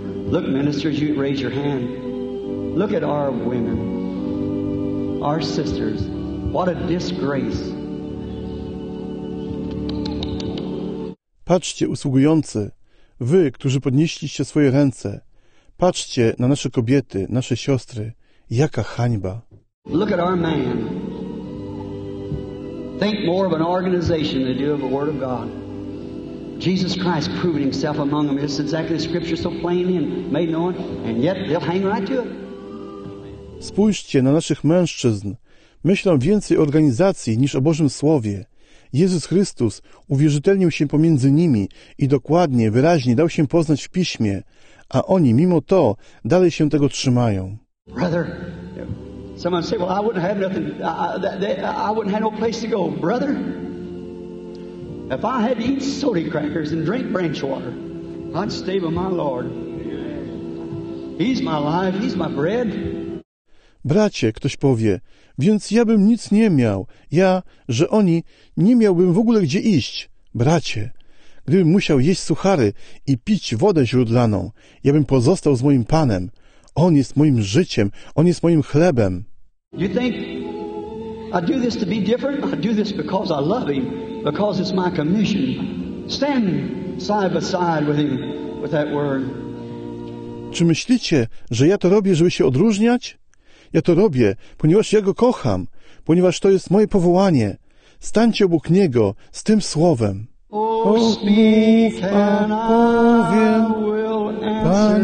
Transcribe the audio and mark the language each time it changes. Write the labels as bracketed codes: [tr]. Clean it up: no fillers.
[en] Look, ministers, you raise your hand. Look at our women, our sisters. What a disgrace. [pl] Patrzcie, usługujący, wy, którzy podnieśliście swoje ręce, patrzcie na nasze kobiety, nasze siostry. Jaka hańba. [en] Look at our man. Think more of an organization than do of the Word of God. Jesus Christ proving himself among them. It's exactly the scripture so plainly and made known, and yet they'll hang right to it. [pl] Spójrzcie na naszych mężczyzn. Myślą więcej o organizacji niż o Bożym Słowie. Jezus Chrystus uwierzytelnił się pomiędzy nimi i dokładnie, wyraźnie dał się poznać w Piśmie, a oni mimo to dalej się tego trzymają. [en] Brother, someone said, well, I wouldn't have nothing, I wouldn't have no place to go. Brother, if I had to eat soda crackers and drink branch water, I'd stay with my Lord. He's my life, he's my bread. [pl] Bracie, ktoś powie, więc ja bym nic nie miał. Ja, że oni, nie miałbym w ogóle gdzie iść. Bracie, gdybym musiał jeść suchary i pić wodę źródlaną, ja bym pozostał z moim Panem. On jest moim życiem, on jest moim chlebem. [en] You think I do this to be different? I do this because I love him, because it's my commission. Stand side by side with him, with that word. [pl] Czy myślicie, że ja to robię, żeby się odróżniać? Ja to robię, ponieważ ja go kocham, ponieważ to jest moje powołanie. Stańcie obok niego z tym słowem. [en] Oh, speak, and I [pl] powiem, [en] will answer.